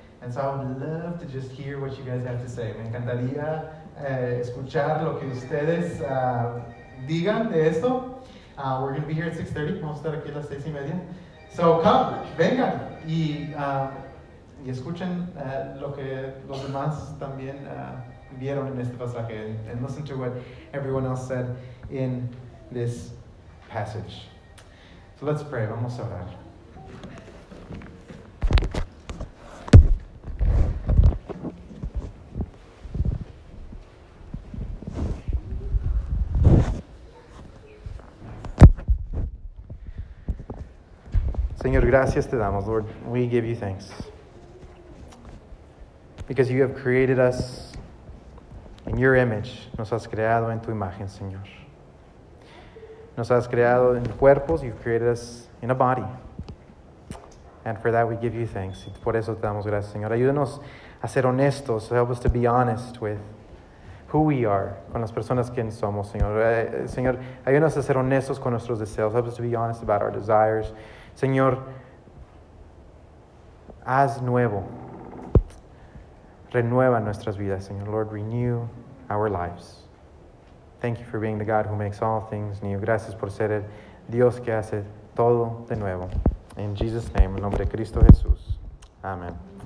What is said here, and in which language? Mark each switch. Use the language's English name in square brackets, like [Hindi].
[English] And so I would love to just hear what you guys have to say. [Spanish] Me encantaría escuchar lo que ustedes digan de esto. [English] We're going to be here at 6:30. [Spanish] Vamos a estar aquí a las 6:30. [English] So come, [Spanish] vengan. Y escuchen lo que los demás también vieron en este pasaje. [English] And listen to what everyone else said in this passage. So let's pray. [Spanish] Vamos a orar. Señor, gracias te damos, [English] Lord. We give you thanks. Because you have created us in your image. [Spanish] Nos has creado en tu imagen, Señor. Nos has creado en cuerpos, [English] you've created us in a body. And for that we give you thanks. [Spanish] Por eso te damos gracias, Señor. Ayúdanos a ser honestos. [English] Help us to be honest with who we are, [Spanish] con las personas que somos, Señor. Señor, ayúdanos a ser honestos con nuestros deseos. [English] Help us to be honest about our desires. [Spanish] Señor, haz nuevo. Renueva nuestras vidas, Señor. [English] Lord, renew our lives. Thank you for being the God who makes all things new. [Spanish] Gracias por ser el Dios que hace todo de nuevo. [English] In Jesus' name, [Spanish] en nombre de Cristo Jesús. Amen.